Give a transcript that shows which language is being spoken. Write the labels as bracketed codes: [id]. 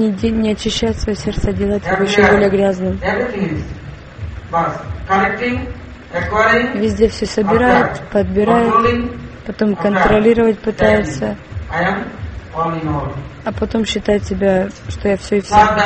[ru] не очищает свое сердце, делает его еще более грязным. [en] Everything is bas collecting, acquiring. [ru] Везде все собирает, подбирает, потом контролировать пытается. [en] I am all in all. [ru] А потом считает себя, что я все и все.